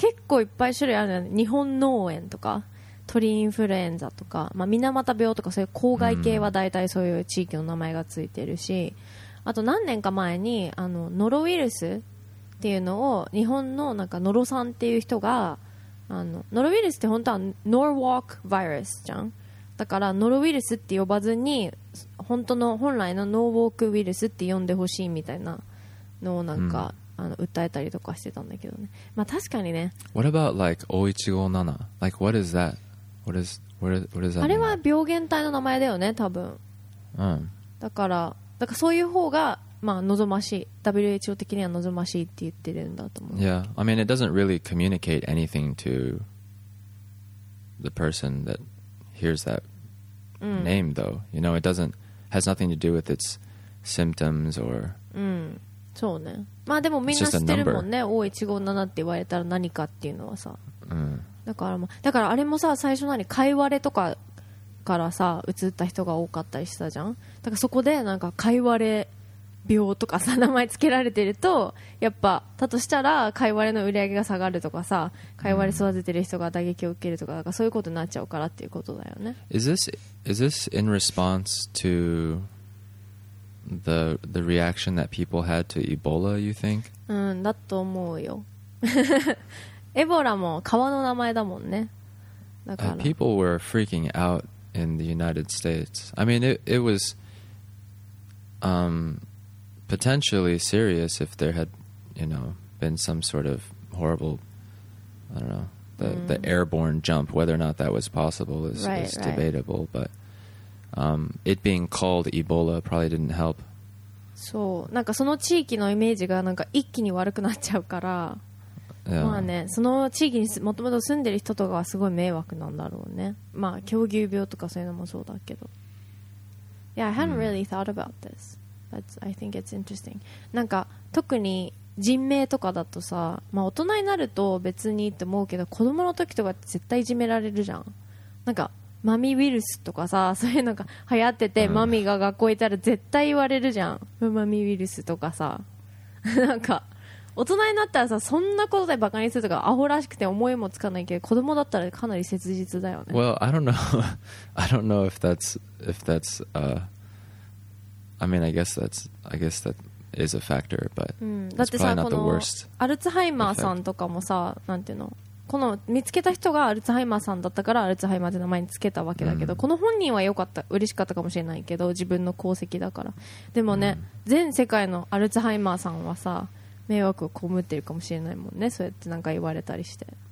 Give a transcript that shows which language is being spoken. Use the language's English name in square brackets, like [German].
[Japanese] 結構いっぱい種類あるよね。日本脳炎とか鳥インフルエンザとか、まあ、水俣病とかそういう公害系はだいたいそういう地域の名前がついてるし、あと何年か前にあのノロウイルスっていうのを日本のなんかノロさんっていう人が、あのノロウイルスって本当はノーワークバイルスじゃん、だからノロウイルスって呼ばずに本当の本来のノーウォークウイルスって呼んでほしいみたいなのをなんか、うん、あの訴えたりとかしてたんだけどね。まあ確かにね。 [English] What about like 0157? Like what is that? What is that? [Japanese] あれは病原体の名前だよね多分、うん、だからそういう方がまあ望ましい、 WHO 的には望ましいって言ってるんだと思う。 [English] Yeah, I mean it doesn't really communicate anything to the person thathere's that name though, you know, it doesn't has nothing to do with its symptoms or [Japanese] そうね、まあでもみんな知ってるもんね、O157 って言われたら何かっていうのはさ、うん、だからあれもさ、最初何かいわれとかからさ移った人が多かったりしたじゃん、だからそこでなんかかいわれ病とかさ名前つけられてると、やっぱだとしたらかいわれの売り上げが下がるとかさ、かいわれ育ててる人が打撃を受けると か, だからそういうことになっちゃうからっていうことだよね。 [English] Is this in response to the reaction that people had to Ebola, you think? [Japanese] うん、だと思うよ。エボラも川の名前だもんね、だから、 [English] People were freaking out in the United States. I mean it was potentially serious if there had, you know, been some sort of horrible, I don't know, the airborne jump. Whether or not that was possible is debatable. Right. But it being called Ebola probably didn't help. [Japanese] そう、なんかその地域のイメージがなんか一気に悪くなっちゃうから、 [English] yeah. [Japanese] まあね、その地域にもともと住んでる人とかはすごい迷惑なんだろうね。まあ狂牛病とかそういうのもそうだけど。 [English] Yeah, I hadn't really thought about this. I think it's interesting. [Japanese] なんか特に人名とかだとさ、まあ、大人になると別にって思うけど、子供の時とか絶対いじめられるじゃん。なんかマミウイルスとかさ、そういうのが流行ってて、マミが学校行ったら絶対言われるじゃん、マミウイルスとかさ。なんか大人になったらさ、そんなことでバカにするとかアホらしくて思いもつかないけど、子供だったらかなり切実だよね。 [English] Well, I don't know if that's I mean, I guess that is a factor, but it's probably not the worst. [Japanese] アルツハイマーさんとかもさ、なんていうの、この見つけた人がアルツハイマーさんだったからアルツハイマーって名前につけたわけだけど、この本人は良かった、嬉しかったかもしれないけど、自分の功績だから。でもね、全世界のアルツハイマーさんはさ、迷惑を被ってるかもしれないもんね、そうやってなんか言われたりして。